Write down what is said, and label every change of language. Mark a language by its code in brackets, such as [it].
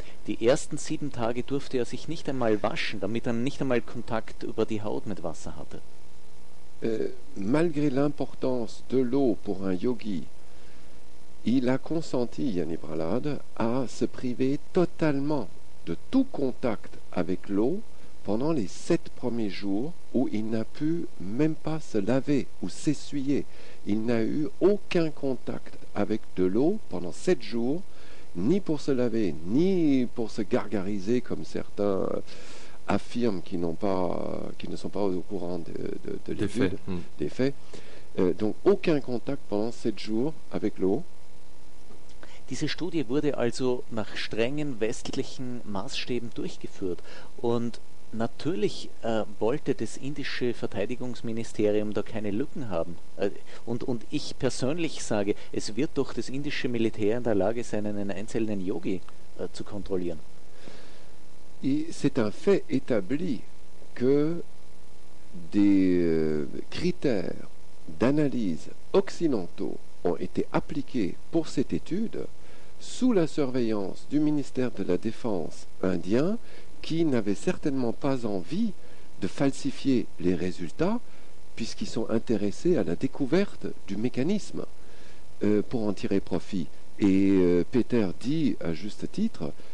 [de] Die ersten 7 Tage durfte er sich nicht einmal waschen, damit er nicht einmal Kontakt über die Haut mit Wasser hatte. [fr] Malgré l'importance de l'eau pour un yogi, il a consenti, Jani Prahlad, à se priver totalement de tout contact avec l'eau pendant les 7 premiers jours où il n'a pu même pas se laver ou s'essuyer. Il n'a eu aucun contact avec de l'eau pendant 7 jours, ni pour se laver, ni pour se gargariser, comme certains affirment qu'ils ne sont pas au courant de des faits. Des faits. Donc aucun contact pendant 7 jours avec l'eau. [de] Diese Studie wurde also nach strengen westlichen Maßstäben durchgeführt. Und natürlich wollte das indische Verteidigungsministerium da keine Lücken haben. Und ich persönlich sage, es wird doch das indische Militär in der Lage sein, einen einzelnen Yogi zu kontrollieren. [fr] C'est un fait établi que des critères d'analyse occidentaux ont été appliqués pour cette étude sous la surveillance du ministère de la Défense indien, qui n'avait certainement pas envie de falsifier les résultats, puisqu'ils sont intéressés à la découverte du mécanisme pour en tirer profit. Et Peter dit, à juste titre,